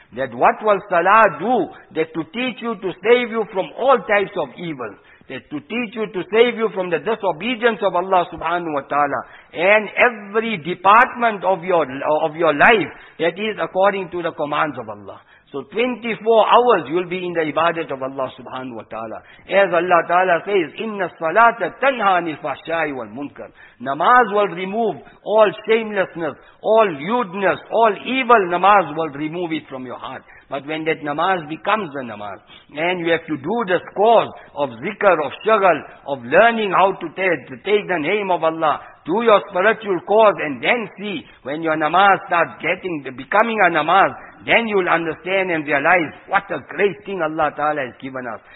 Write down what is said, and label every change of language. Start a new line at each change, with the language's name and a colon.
English: That what will salah do? That to teach you, to save you from all types of evil. That to teach you, to save you from the disobedience of Allah Subhanahu Wa Ta'ala. And every department of your life, that is according to the commands of Allah. So 24 hours you'll be in the ibadat of Allah Subhanahu Wa Ta'ala. As Allah Ta'ala says,
Arabic: إِنَّ الصَّلَاةَ تَنْهَى عَنِ الْفَحْشَاءِ وَالْمُنْكَرِ.
English: Namaz will remove all shamelessness, all lewdness, all evil. Namaz will remove it from your heart. But when that namaz becomes a namaz, and you have to do this course of zikr, of shagal, of learning how to take the name of Allah, do your spiritual course, and then see, when your namaz starts becoming a namaz, then you'll understand and realize what a great thing Allah Ta'ala has given us.